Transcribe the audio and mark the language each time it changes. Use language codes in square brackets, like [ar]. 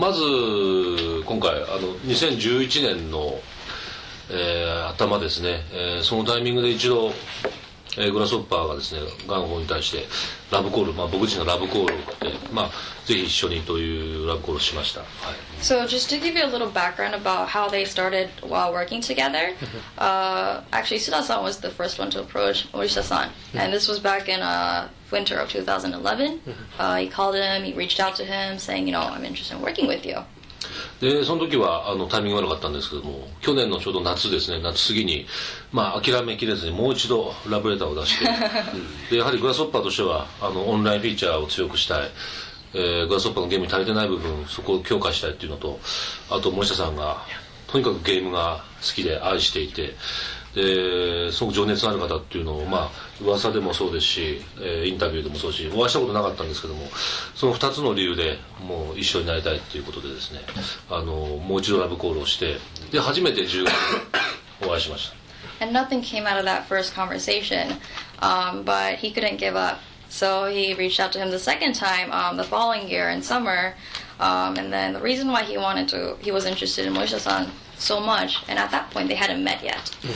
[ja] まず今回2011年の、頭ですね、そのタイミングで一度、グラスホッパーがですねガンホーに対してラブコール、まあ、僕自身がラブコールを送って、まあ、ぜひ一緒にというラブコールをしました、はい、 [en] So just to give you a little background about how they started while working together 、actually Suda-san was the first one to approach Morishita-san and this was back in winter of 2011 he called him, he reached out to him saying, you know, I'm interested in working with you [ja] でその時はあのタイミング悪かったんですけども去年のちょうど夏ですね夏過ぎに、まあ、諦めきれずにもう一度ラブレターを出してでやはりグラスホッパーとしてはあのオンラインフィーチャーを強くしたい、グラスホッパーのゲームに足りてない部分そこを強化したいっていうのとあと森下さんがとにかくゲームが好きで愛していてですごく情熱のある方っていうのを、まあ、噂でもそうですし、インタビューでもそうしお会いしたことなかったんですけどもその2つの理由でもう一緒になりたいということでですねあのもう一度ラブコールをしてで初めて10月お会いしました [en] And nothing came out of that first conversation、but he couldn't give up so he reached out to him the second time、the following year in summer、and then the reason why he wanted to he was interested in Moisha-sanso much and at that point they hadn't met yet